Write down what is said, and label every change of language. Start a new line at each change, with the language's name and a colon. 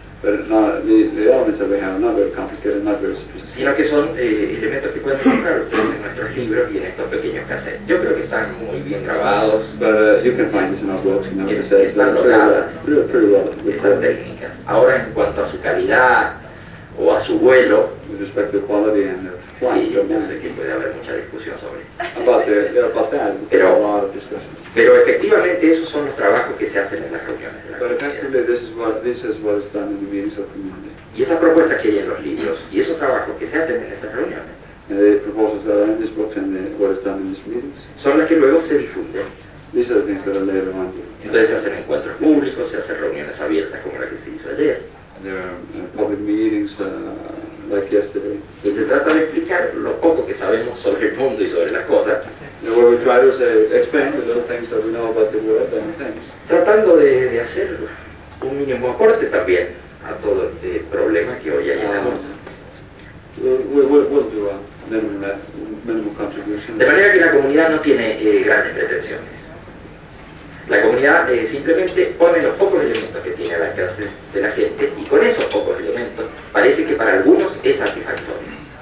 English: But the elements that we have are not very complicated, not very sophisticated.
Spanish: Sino que son elementos que pueden encontrar ustedes en nuestros libros y en estos pequeños cassettes. Yo creo que están muy bien grabados.
English: But you can find this in our books, you know,
Spanish: que están logradas. Estas técnicas. Ahora, en cuanto a su calidad o a su vuelo.
English: With respect to quality and the flight.
Spanish: Sí, yo sé que puede haber mucha discusión sobre esto.
English: About that, there are a lot of discussions.
Spanish: Pero efectivamente esos son los trabajos que se hacen en las reuniones de la comunidad. Y esas propuestas que hay en los libros, y esos trabajos que se hacen en esas reuniones,
English: the proposals that are in this book and what is done in these meetings.
Spanish: Son las que luego se difunden.
English: These are the things that are later on.
Spanish: Entonces se hacen encuentros públicos, se hacen reuniones abiertas como la que se hizo ayer.
English: There are public meetings like yesterday.
Spanish: Y se trata de explicar lo poco que sabemos sobre el mundo y sobre las cosas.
English: Where we try to say, explain the little things that we know about the world and things.
Spanish: Tratando de hacer un mínimo aporte también a todo este problema que hoy hay en el mundo.
English: We'll do a minimum contribution.
Spanish: De manera que la comunidad no tiene grandes pretensiones. La comunidad simplemente pone los pocos elementos que tiene al alcance de la gente y con esos pocos elementos parece que para algunos es satisfactorio.